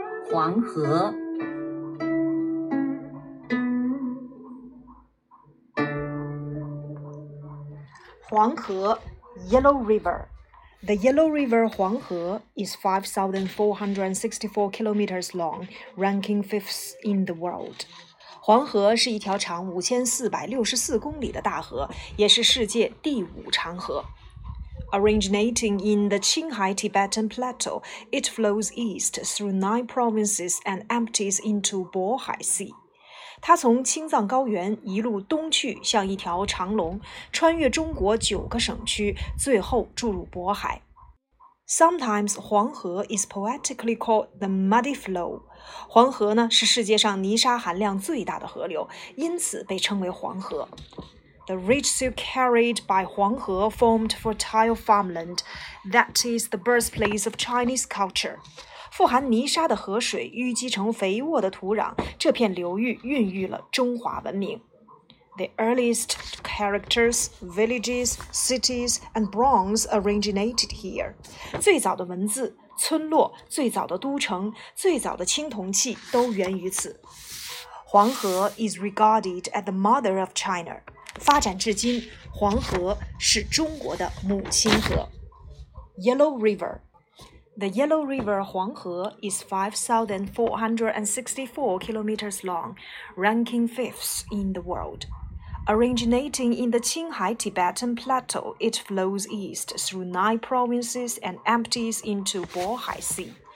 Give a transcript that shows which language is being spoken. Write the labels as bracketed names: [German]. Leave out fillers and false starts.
[English] Huanghe. Huanghe, Yellow River. The Yellow River Huanghe is 5,464 kilometers long, ranking fifth in the world. [Chinese] 黄河是一条长5464公里的大河，也是世界第五长河。 [English] Originating in the Qinghai-Tibetan Plateau, it flows east through nine provinces and empties into Bohai Sea. [Chinese] 它从青藏高原一路东去，像一条长龙，穿越中国九个省区，最后注入渤海。 [English] Sometimes, Huanghe is poetically called the Muddy Flow. [Chinese] 黄河呢是世界上泥沙含量最大的河流，因此被称为黄河。 [English] The rich soil carried by Huanghe formed fertile farmland that is the birthplace of Chinese culture. [Chinese] 富含泥沙的河水淤积成肥沃的土壤，这片流域孕育了中华文明。 [English] The earliest characters, villages, cities, and bronze originated here. [Chinese] 最早的文字、村落、最早的都城、最早的青铜器都源于此。 [English] 黄河 is regarded as the mother of China. [Chinese] 发展至今，黄河是中国的母亲河。 [English] Yellow River. The Yellow River Huanghe is 5,464 kilometers long, ranking fifth in the world. Originating in the Qinghai-Tibetan Plateau, it flows east through nine provinces and empties into Bohai Sea.